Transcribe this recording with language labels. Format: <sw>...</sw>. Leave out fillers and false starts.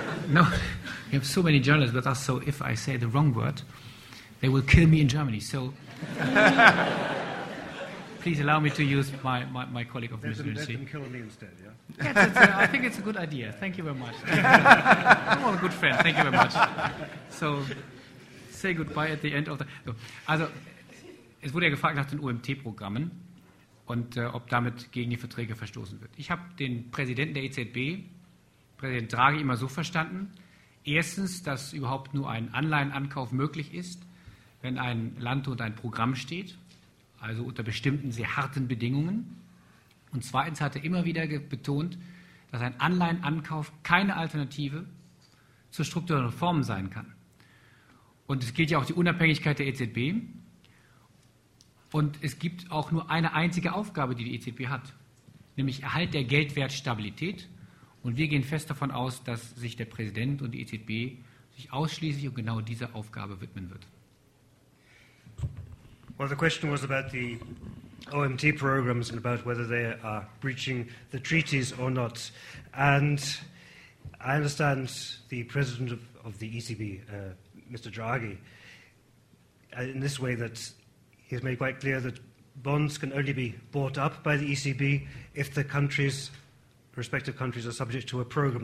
<en>No, we have so many journalists with us, so if I say the wrong word, they will kill me in Germany. So please allow me to use my colleague of the Ministry. Let them kill me instead, yeah? I think it's a good idea. Thank you very much. I'm all a good friend. Thank you very much. So say goodbye at the end of the...</en> <de>Also, es wurde ja gefragt nach den OMT-Programmen. Und ob damit gegen die Verträge verstoßen wird. Ich habe den Präsidenten der EZB, Präsident Draghi, immer so verstanden. Erstens, dass überhaupt nur ein Anleihenankauf möglich ist, wenn ein Land unter ein Programm steht, also unter bestimmten sehr harten Bedingungen. Und zweitens hat er immer wieder betont, dass ein Anleihenankauf keine Alternative zur strukturellen Reform sein kann. Und es gilt ja auch die Unabhängigkeit der EZB. Und es gibt auch nur eine einzige Aufgabe, die die EZB hat, nämlich Erhalt der Geldwertstabilität. Und wir gehen fest davon aus, dass sich der Präsident und die EZB sich ausschließlich und genau dieser Aufgabe widmen wird.</de> <en>Well, the question was about the OMT programs and about whether they are breaching the treaties or not. And I understand the president of the ECB, Mr. Draghi, in this way that he's made quite clear that bonds can only be bought up by the ECB if the countries, respective countries, are subject to a program.</en>